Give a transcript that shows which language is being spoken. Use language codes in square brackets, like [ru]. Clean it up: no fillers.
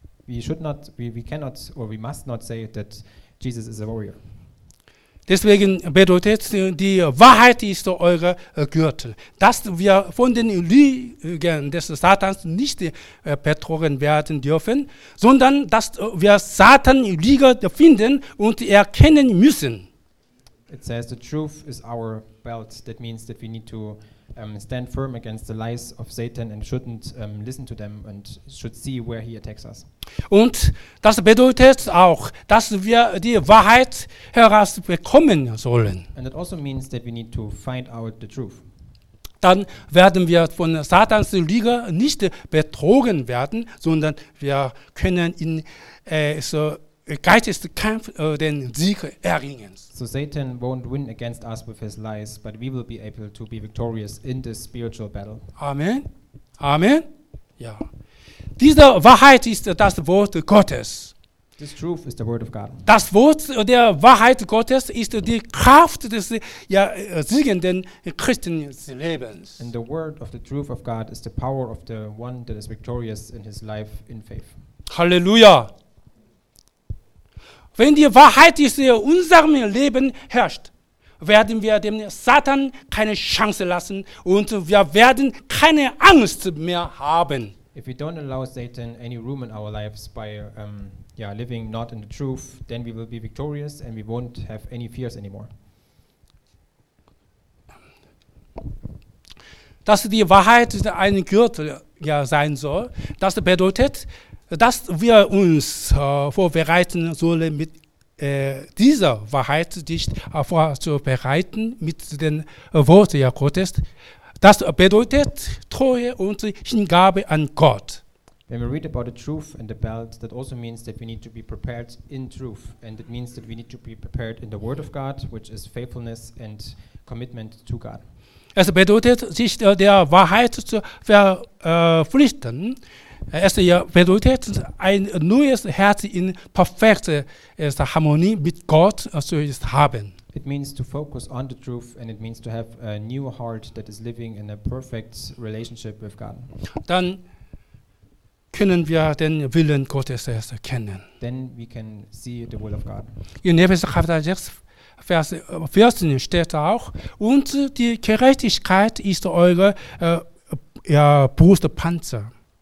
[en] We should not, we cannot, or we must not say that Jesus is a warrior. [de] Deswegen bedeutet die Wahrheit ist eure Gürtel, dass wir von den Lügen des Satans nicht betrogen werden dürfen, sondern dass wir Satan Lüge finden und erkennen müssen. [en] It says the truth is our belt. That means that we need to stand firm against the lies of Satan and shouldn't listen to them and should see where he attacks us. [de] Und das bedeutet auch, dass wir die Wahrheit herausbekommen sollen. [en] And it also means that we need to find out the truth. [de] Dann werden wir von Satans Lüge nicht betrogen werden, sondern wir können in so Geisteskampf den Sieg erringen. [en] So Satan won't win against us with his lies, but we will be able to be victorious in this spiritual battle. [de] Amen. Amen. Ja. Diese Wahrheit ist das Wort Gottes. [en] This truth is the word of God. [de] Das Wort der Wahrheit Gottes ist die Kraft des ja, siegenden christlichen Lebens. [en] And the word of the truth of God is the power of the one that is victorious in his life in faith. [de] Halleluja. Wenn die Wahrheit in unserem Leben herrscht, werden wir dem Satan keine Chance lassen und wir werden keine Angst mehr haben. [en] If we don't allow Satan any room in our lives by living not in the truth, then we will be victorious and we won't have any fears anymore. [de] Dass die Wahrheit ein Gürtel ja, sein soll, das bedeutet, dass wir uns vorbereiten sollen, mit dieser Wahrheit dich vorzubereiten, mit den Worten Gottes. Das bedeutet Treue und Hingabe an Gott. [en] When we read about the truth and the belt, that also means that we need to be prepared in truth. And it means that we need to be prepared in the word of God, which is faithfulness and commitment to God. [de] Es bedeutet, sich der Wahrheit zu verpflichten. Es bedeutet, ein neues Herz in perfekter Harmonie mit Gott zu haben. [en] It means to focus on the truth and it means to have a new heart that is living in a perfect relationship with God. [de] Dann können wir den Willen Gottes kennen. [en] Then we can see the will of God. [de] In Epheser Kapitel 6, Vers 14 steht auch, und die Gerechtigkeit ist eure Brustpanzer.